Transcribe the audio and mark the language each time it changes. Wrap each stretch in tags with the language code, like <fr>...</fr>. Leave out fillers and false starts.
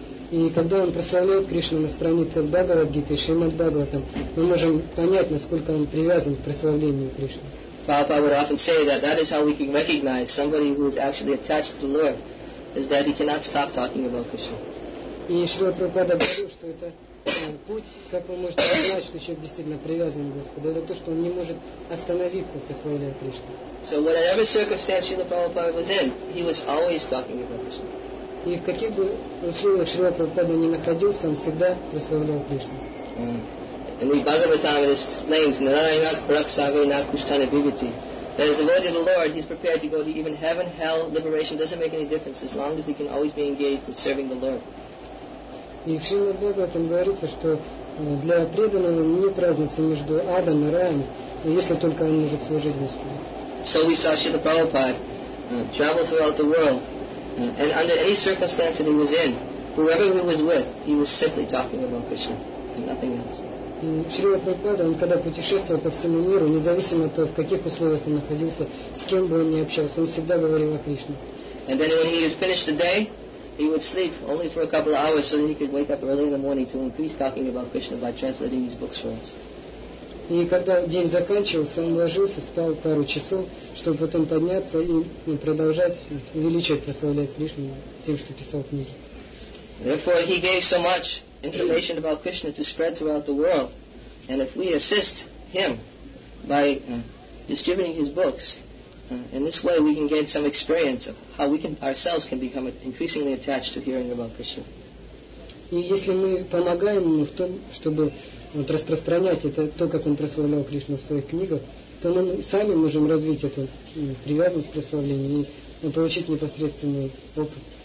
<ru>И когда он прославляет Кришну на страницах Бхагавад Гиты и Шримад Бхагаватам, мы можем понять, насколько он привязан к прославлению Кришны.</ru> <en>Prabhupada would often say that that is how we can recognize somebody who is actually attached to the Lord. Is that he cannot stop talking about Krishna.</en> <ru>И Шрила Прабхупада говорил, что это путь, как вы можете узнать, что человек действительно привязан к Господу, это то, что он не может остановиться в прославлении Кришны.</ru> <en>So whatever circumstance Srila Prabhupada was in, he was always talking about Krishna.</en> <ru>И в каких бы условиях Шрила Прабхупада ни находился, он всегда прославлял Кришну.</ru> <en>In the Bhagavatam it explains, Narayana Paraksavina Kushtana Bhivati, that as a devotee of the Lord, he's prepared to go to even heaven, hell, liberation, doesn't make any difference as long as he can always be engaged in serving the Lord.</en> <ru>И в Шрила Бхагаватам говорится, что для преданного нет разницы между адом и раем, если только он может служить Господу.</ru> <en>So we saw Srila Prabhupada travel throughout the world, and under any circumstance that he was in, whoever he was with, he was simply talking about Krishna and nothing else.</en> <ru>Шрила Прабхупада, он когда путешествовал по всему миру, независимо от того, в каких условиях он находился, с кем бы он ни общался, он всегда говорил о Кришне.</ru> <en>And then when he had finished the day, he would sleep only for a couple of hours so that he could wake up early in the morning to increase talking about Krishna by translating these books for us.</en> <ru>И когда день заканчивался, он ложился, спал пару часов, чтобы потом подняться и продолжать увеличивать, прославлять Кришну тем, что писал книги.</ru> <en>Therefore, he gave so much information about Krishna to spread throughout the world. And if we assist him by distributing his books, in this way we can gain some experience of how we can ourselves can become increasingly attached to hearing about Krishna.</en> <ru>И если мы помогаем ему в том, чтобы распространять это, то, как он прославлял Кришну в своих книгах, то мы сами можем развить эту привязанность к прославлению и получить непосредственный опыт.</ru>